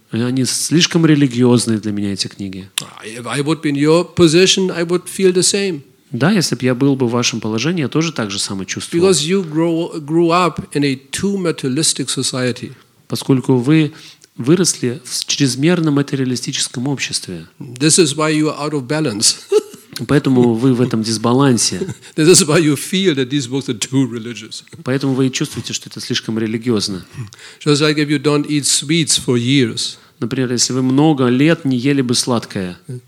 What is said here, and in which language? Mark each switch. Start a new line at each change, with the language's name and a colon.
Russian: Они слишком религиозные для меня, эти книги.
English: If I would be in your position, I would feel the same.
Russian: Да, если бы я был бы в вашем положении, я тоже так же самое чувствовал.
English: Because you grew up in a too materialistic society.
Russian: Поскольку вы выросли в чрезмерно материалистическом обществе.
English: This is why you are out of balance.
Russian: Поэтому вы в этом дисбалансе.
English: This is why you feel that these books are too religious.
Russian: Поэтому вы и чувствуете, что это слишком религиозно.
English: Just like if you don't eat sweets for years.
Russian: Например, если вы много лет не ели бы сладкое.